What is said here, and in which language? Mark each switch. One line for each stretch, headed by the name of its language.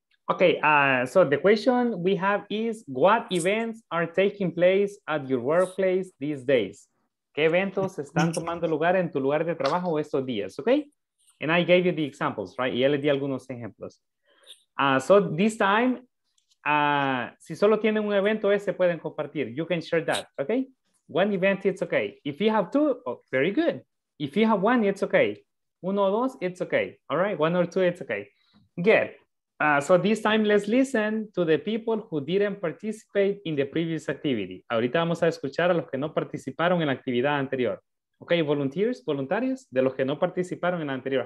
English: Okay, so the question we have is, what events are taking place at your workplace these days?
Spanish: ¿Qué eventos están tomando lugar en tu lugar de trabajo estos días?
English: Okay, and I gave you the examples, right?
Spanish: Y ya les di algunos ejemplos.
English: So this time,
Spanish: si solo tienen un evento, ese pueden compartir.
English: You can share that, okay? One event, it's okay. If you have two, oh, very good. If you have one, it's okay.
Spanish: Uno o dos,
English: it's okay. All right, one or two, it's okay. Good. So this time, let's listen to the people who didn't participate in the previous activity.
Spanish: Ahorita vamos a escuchar a los que no participaron en la actividad anterior. Okay, volunteers, voluntarios, de los que no participaron en la anterior.